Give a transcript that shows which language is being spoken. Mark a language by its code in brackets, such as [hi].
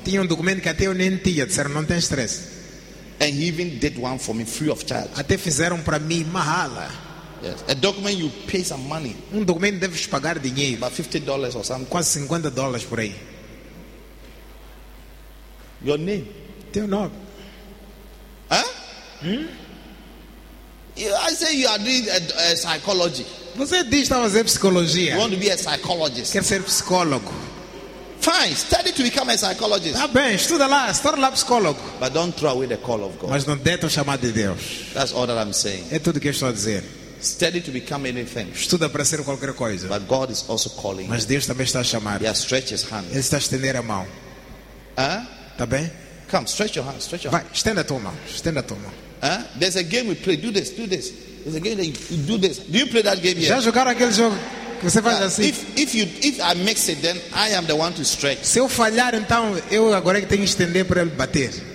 [pt] Tinha documento que até eu nem tinha, disseram, não tem stress. [en] And he even did one for me free of charge. [pt] Até fizeram para mim mahala. [en] Yes. A document you pay some money. [pt] Documento deves pagar dinheiro. [en] About $50 or something. [pt] Quase $50 por aí. [en] Your name. [pt] Teu nome. Hã? [en] I say you are doing psychology. [pt] Você diz que está fazendo psicologia. [en] You want to be a psychologist. [pt] Quer ser psicólogo. [en] Fine, study to become a psychologist. [pt] Tá bem, estuda lá, estuda lá psicólogo. [en] But don't throw away the call of God. [pt] Mas não deixe o chamado de Deus. [en] That's all that I'm saying. [pt] É tudo que eu estou a dizer. [en] Study to become anything. [pt] Estuda para ser qualquer coisa. [en] But God is also calling. [pt] Mas Deus também está a chamar. [en] He has stretched his hand. [pt] Ele está a estender a mão. Ah? Tá bem? [en] Come, stretch your hand. Stretch your hand. [pt] Vai, estenda a tua mão. Estenda a tua mão. Ah? [en] There's a game we play. Do this, do this. There's a game that you do this. Do you play that game yet? [pt] Já jogaram aquele jogo? Você faz assim. [en] If I mix it, then I am the one to stretch. [pt] Se eu falhar, então eu agora que tenho que estender para ele bater.